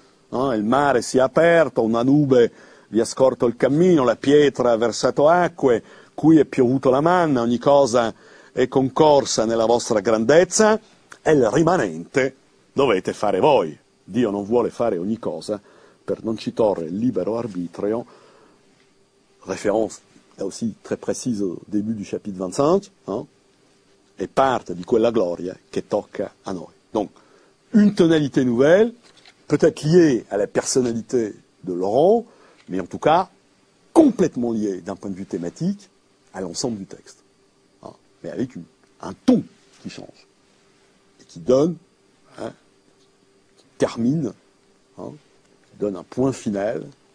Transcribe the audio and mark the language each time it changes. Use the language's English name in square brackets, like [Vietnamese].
[Italian] Hein, il mare si è aperto, una nube vi ha scorto il cammino, la pietra ha versato acque, qui è piovuto la manna, ogni cosa è concorsa nella vostra grandezza, e il rimanente dovete fare voi. Dio non vuole fare ogni cosa per non ci torre il libero arbitrio. [French] Référence, è aussi très précise au début du chapitre 25, hein? [Italian] È parte di quella gloria che tocca a noi. [French] Donc, une tonalité nouvelle, peut-être liée à la personnalité de Laurent, mais en tout cas, complètement lié d'un point de vue thématique à l'ensemble du texte. Hein, mais avec un ton qui change, et qui donne, hein, qui termine, hein, qui donne un point final,